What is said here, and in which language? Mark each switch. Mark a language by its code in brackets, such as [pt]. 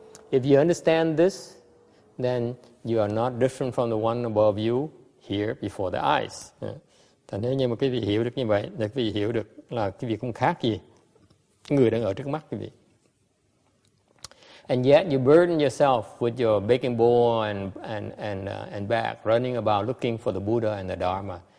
[en] If you understand this, then you are not different from the one above you. Here before the eyes. [vi] Thành nếu như mà quý vị hiểu được như vậy, thì quý vị hiểu được là quý vị không khác gì người đang ở trước mắt quý vị. [en] And yet you burden yourself with your begging bowl and bag, running about looking for the Buddha and the Dharma.